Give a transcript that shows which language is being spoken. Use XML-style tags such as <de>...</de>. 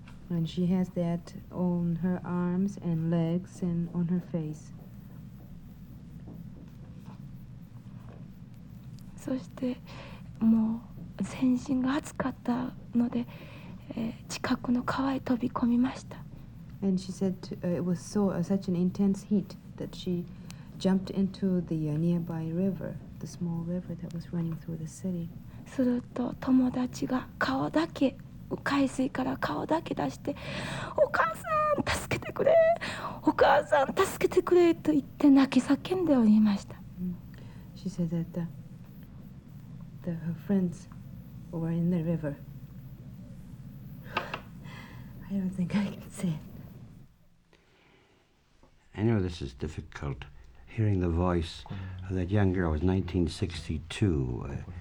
<en>And she has that on her arms and legs and on her face.</en> <ja>そしてもう全身が熱かったので、近くの川へ飛び込みました。</ja> <en>And she said it was so such an intense heat that she jumped into the nearby river, the small river that was running through the city.</en> <ja>すると友達が顔だけ海水から顔だけ出して、お母さん助けてくれ、お母さん助けてくれと言って泣き叫んでおりました。</ja> <en>She said that her friends were in the river. I don't think I can say it. I know this is difficult. Hearing the voice of that young girl was 1962.</en>